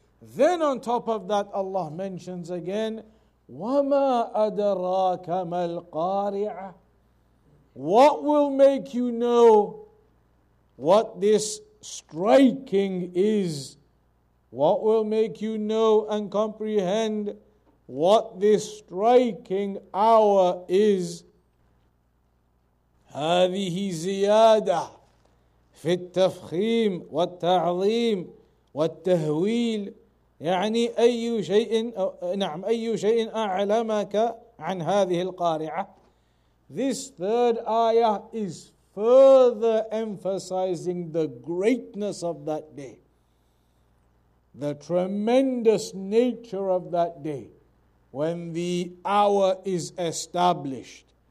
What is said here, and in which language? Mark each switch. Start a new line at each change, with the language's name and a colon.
English: Then on top of that, Allah mentions again,
Arabic: وَمَا أَدَرَاكَ مَا الْقَارِعَةِ,
English: what will make you know what this striking is? What will make you know and comprehend what this striking hour is?
Arabic: هَذِهِ زِيَادَةٌ فِي التَّفْخِيمِ وَالتَّعْظِيمِ وَالتَّهْوِيلِ, يعني أي شيء, نعم أي شيء أعلمك عن هذه القارعة.
English: This third ayah is further emphasizing the greatness of that day, the tremendous nature of that day when the hour is established